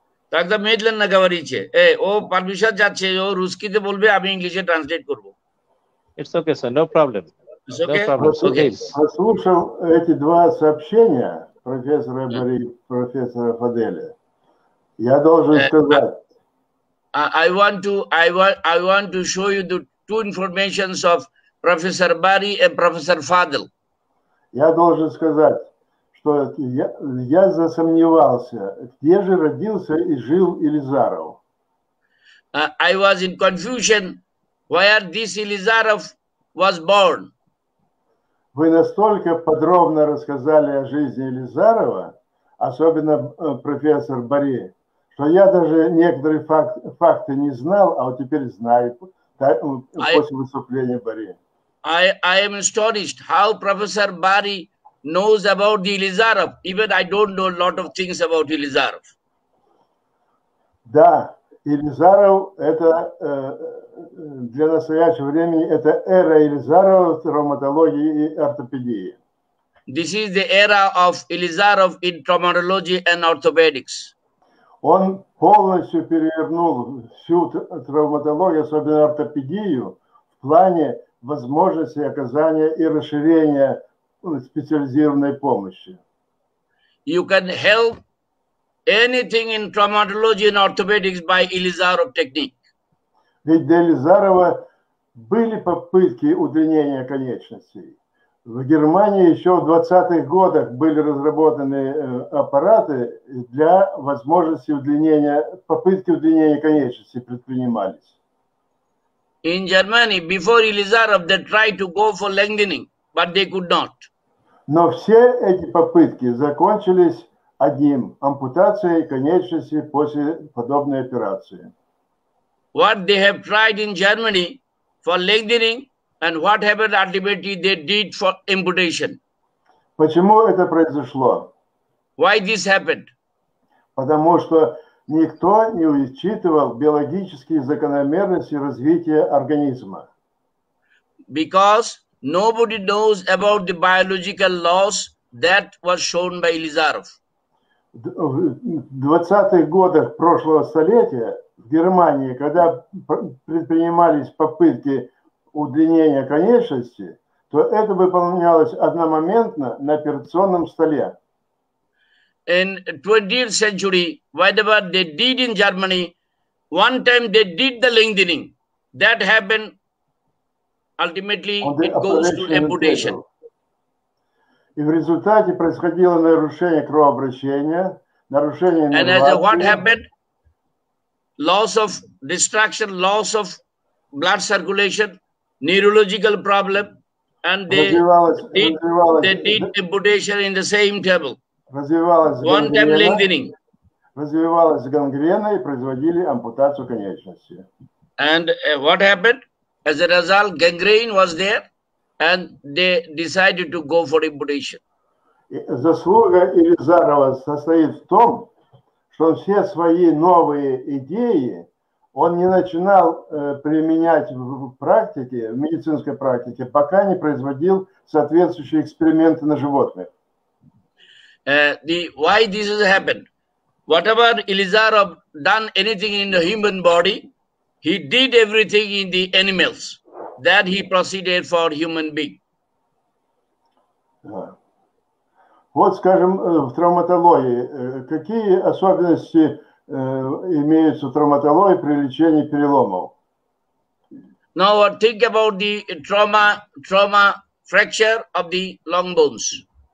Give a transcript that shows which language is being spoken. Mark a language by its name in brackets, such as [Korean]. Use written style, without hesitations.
[Russian] Тогда медленно говорите. О, подмешать жатче, о, русский ты болбе, а мы английский транслейт курбу. [English] It's okay, sir, no problem. It's okay. No problem. Okay. [Russian] Послушал эти два сообщения профессора Бори, профессора Фаделя. Я должен сказать. [English] I want to show you the two informations of Professor Bari and Professor Fadel. [Russian] Я должен сказать, что я засомневался, где же родился и жил Ilizarov. [English] I was in confusion, where this Ilizarov was born. Вы настолько подробно рассказали о жизни Ilizarov, особенно профессор Бори, что я даже некоторые факты не знал, а вот теперь знаю, после выступления Бори. I am astonished how Professor Bari knows about the Ilizarov. Even I don't know a lot of things about Ilizarov. [Russian] Да, Ilizarov это для настоящего времени это эра Ilizarov травматологии и ортопедии. [English] This is the era of Ilizarov in traumatology and orthopedics. [Russian] Он полностью перевернул всю травматологию, особенно ортопедию, в плане возможности оказания и расширения специализированной помощи. [English] You can help anything in traumatology and orthopedics by Ilizarov technique. [Russian] Ведь для Ilizarova были попытки удлинения конечностей. В Германии еще в 20-х годах были разработаны аппараты для возможности удлинения, попытки удлинения конечностей предпринимались. [English] In Germany, before Ilizarov, they tried to go for lengthening, but they could not. [Russian] Но все эти попытки закончились одним – ампутацией конечности после подобной операции. [English] What they have tried in Germany for lengthening and what happened ultimately they did for amputation. [Russian] Почему это произошло? [English] Why this happened? [Russian] Потому что никто не учитывал биологические закономерности развития организма. [English] Because nobody knows about the biological laws that was shown by Ilizarov. [Russian] В 20-х годах прошлого столетия в Германии, когда предпринимались попытки удлинения конечности, то это выполнялось одномоментно на операционном столе. [English] In 20th century, whatever they did in Germany, one time they did the lengthening. That happened, ultimately it goes to amputation. [Russian] И в результате происходило нарушение кровообращения, нарушение нервации. [English] And as what happened? Loss of destruction, loss of blood circulation, neurological problem, and they did amputation in the same table. One time lengthening. [Russian] Развивалась гангрена и производили ампутацию конечности. [English] And what happened? As a result, gangrene was there. And they decided to go for amputation. [Russian] Заслуга Ilizarova состоит в том, что все свои новые идеи он не начинал применять в практике, в медицинской практике, пока не производил соответствующие эксперименты на животных. [English] Why this has happened? Whatever Ilizarov done anything in the human body, he did everything in the animals. That he proceeded for human being. [Russian] Вот, скажем, в травматологии, какие особенности имеются в травматологии при лечении переломов? [English] Now think about the trauma fracture of the long bones.